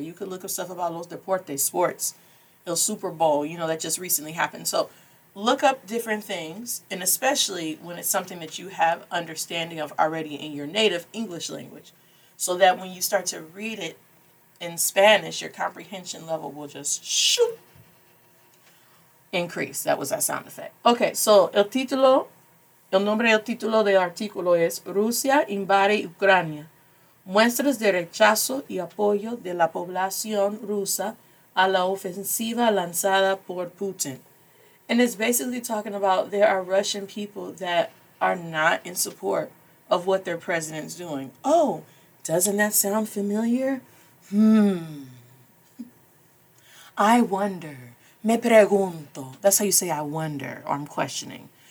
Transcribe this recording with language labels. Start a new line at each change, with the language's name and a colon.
English: You can look up stuff about
Spanish: los deportes,
English: sports, el Super Bowl, you know, that just recently happened. So look up different things, and especially when it's something that you have understanding of already in your native English language, so that when you start to read it in Spanish, your comprehension level will just shoot. Increase. That was that sound effect.
Spanish: Okay, so el nombre del título del artículo es Rusia invade Ucrania. Muestras de rechazo y apoyo de la población rusa a la ofensiva lanzada por Putin.
English: And it's basically talking about there are Russian people that are not in support of what their president's doing. Oh, doesn't that sound familiar? I wonder.
Spanish: Me pregunto.
English: That's how you say I wonder or I'm questioning.